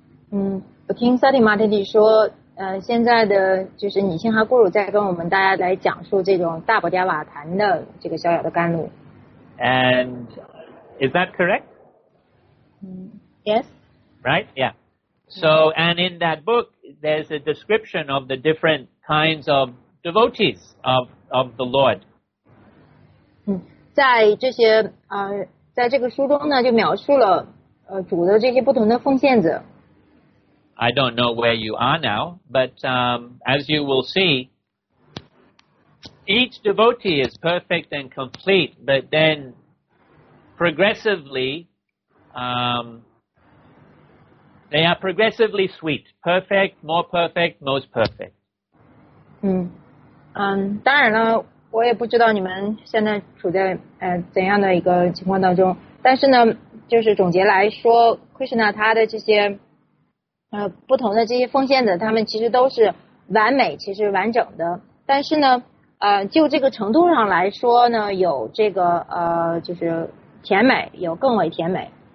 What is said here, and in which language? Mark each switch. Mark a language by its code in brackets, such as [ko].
[zh] 我听 Sati Mataji 说现在的就是你信哈古鲁在跟我们大家来讲述这种大宝加瓦坛的这个逍遥的甘露。 [en] And is that correct? Yes. Right? Yeah. So, and in that book, there's a description of the different kinds of devotees of the Lord. [zh] 在这些在这个书中呢就描述了主的这些不同的奉献者。 [en] I don't know where you are now, but as you will see, each devotee is perfect and complete, but then progressively, they are progressively sweet, perfect, more perfect, most perfect. [zh] 当然了，我也不知道你们现在处在怎样的一个情况当中，但是呢，就是总结来说 ，Krishna 他的这些。不同的这些奉献者他们其实都是完美其实完整的但是呢就这个程度上来说呢有这个就是甜美有更为甜美